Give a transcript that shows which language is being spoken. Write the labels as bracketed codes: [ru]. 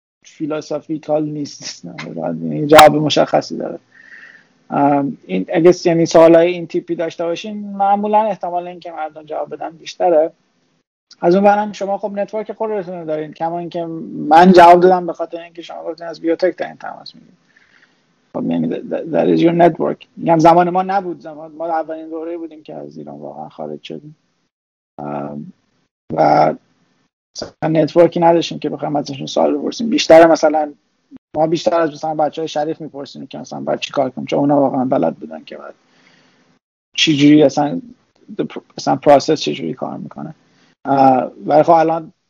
[fa] فیلسوفیکال نیست، یعنی جواب مشخصی داره. این اگه یعنی سوالای این تیپی داشته باشین معمولا احتمال اینکه مردم جواب بدن بیشتره. از اون برم شما خب نتورک خودتون رو دارین، کما اینکه من جواب دادم به خاطر اینکه شما گفتین از بیوتک دارین تماس میگیرین. خب یعنی [en] that is your network. [fa] یعنی زمان ما نبود، زمان ما اولین دوره بودیم که از ایران واقعا خارج شدیم و نتورکی نداشتیم که بخوایم ازشون سوال بپرسیم. بیشتر مثلا ما بیشتر از مثلا بچهای شریف میپرسیم که مثلا بعد چی کار کنم، چون اونا واقعا بلد بودن که بعد چی جوری مثلا پروسس چجوری کار میکنه. ولی خب الان